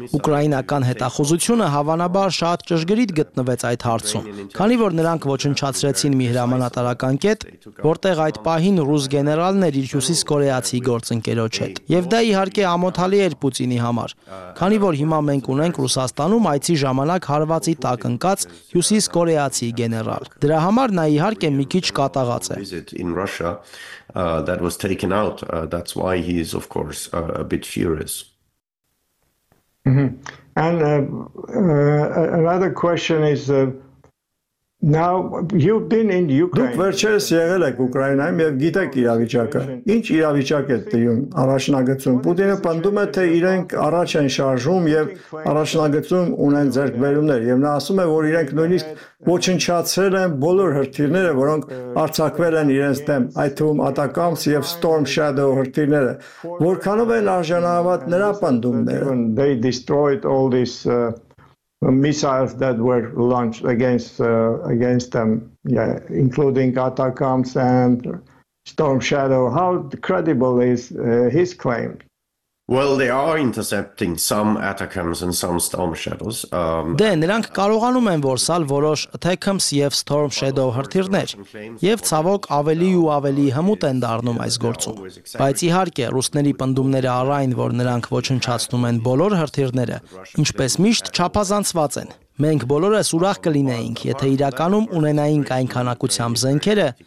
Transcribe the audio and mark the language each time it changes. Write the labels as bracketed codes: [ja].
[hy] Ուկրաինական հետախուզությունը հավանաբար շատ ճշգրիտ գտնվեց այդ հարցում, քանի որ նրանք ոչնչացրեցին մի հրամանատարական կետ, որտեղ այդ պահին ռուս գեներալներ իր հյուսիս կորեացի գործընկերոջ հետ։ Եվ դա իհարկե ամոթալի էր Պուտինի համար, քանի որ հիմա մենք ունենք Ռուսաստանում այցի ժամանակ հարվածի տակ ընկած հյուսիս կորեացի գեներալ։ Դրա համար նա իհարկե մի քիչ կատաղած է։ [en] That was taken out. That's why he is, of course, a bit furious. And another question is, now you've been in Ukraine. [hy] Դուք վերջերս եղել եք Ուկրաինայում եւ գիտեք իրավիճակը։ Ինչ իրավիճակ է տիրում առաջնագծում։ Պուտինը պնդում է, թե իրենք առաջ են շարժում եւ առաջնագծում ունեն ձեռքբերումներ, եւ նա ասում է, որ իրենք նույնիսկ ոչնչացրել են բոլոր հրթիռները, որոնք արձակվել են իրենց դեմ, այդ թվում Atacms եւ Storm Shadow հրթիռները։ Որքանով են արժանավատ նրա պնդումները։ [en] They destroyed all these missiles that were launched against against them, yeah, including Atacms and Storm Shadow. How credible is his claim? Well, they are intercepting some Atacms and some Storm Shadows. [hy] Դե նրանք կարողանում են որսալ որոշ Atacms եւ Storm Shadow հրթիռներ, եւ ցավոք ավելի ու ավելի հմուտ են դառնում այս գործում։ Բայց իհարկե ռուսների պնդումները առ այն, որ նրանք ոչնչացնում են բոլոր հրթիռները, ինչպես միշտ չափազանցված են։ Մենք բոլորս ուրախ կլինեինք, եթե իրականում ունենայինք այն քանակությամբ զենքերը,